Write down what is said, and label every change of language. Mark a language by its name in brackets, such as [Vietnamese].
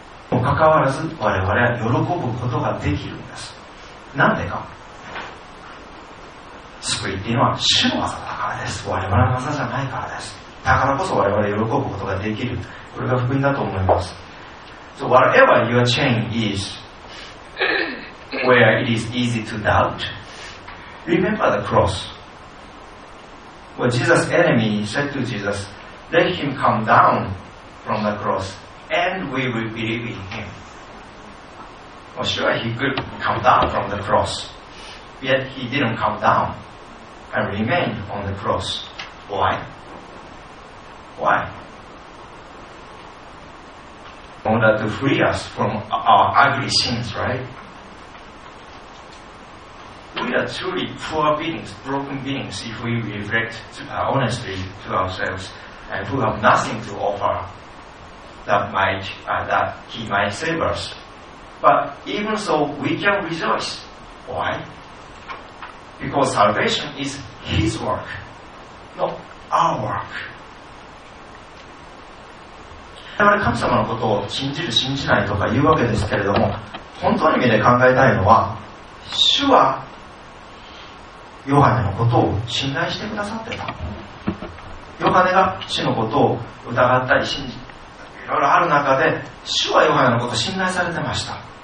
[Japanese] もかかわらず我々は喜ぶことができるんです。なんでか。救いっていうのは主の技だからです。我々の技じゃないからです。だからこそ我々喜ぶことができる、これが福音だと思います。 [English] So whatever your chain is, where it is easy to doubt, remember the cross. Well, Jesus' enemy said to Jesus, let him come down from the cross, and we will believe in him. Well, sure, he could come down from the cross, yet he didn't come down and remain on the cross. Why? Why? In order to free us from our ugly sins, right? We are truly poor beings, broken beings, if we reflect honestly to ourselves, and who have nothing to offer that he might save us. But even so, we can rejoice. Why? Because salvation is his work, not our work. [Japanese] 我々神様のことを信じる信じないとか言うわけですけれども、本当に目で考えたいのは、主はヨハネのことを信頼してくださってた。ヨハネが主のことを疑ったり信じいろいろある中で、主はヨハネのことを信頼されてました。